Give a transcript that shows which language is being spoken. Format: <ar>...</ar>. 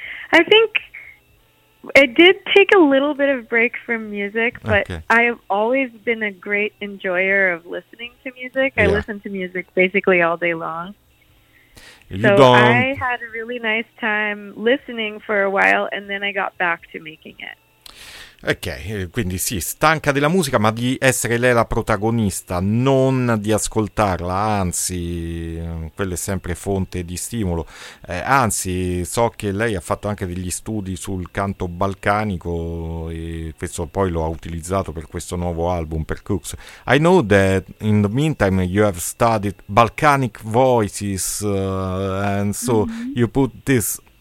<en>I think I did take a little bit of break from music, but okay. I have always been a great enjoyer of listening to music. Yeah. I listen to music basically all day long. I had a really nice time listening for a while, and then I got back to making it.</en> <it>Ok, quindi sì, stanca della musica, ma di essere lei la protagonista, non di ascoltarla, anzi, quella è sempre fonte di stimolo. Anzi, so che lei ha fatto anche degli studi sul canto balcanico e questo poi lo ha utilizzato per questo nuovo album, per Cooks.</it> <en>I know that in the meantime you have studied Balkanic voices, and so you put this...</en>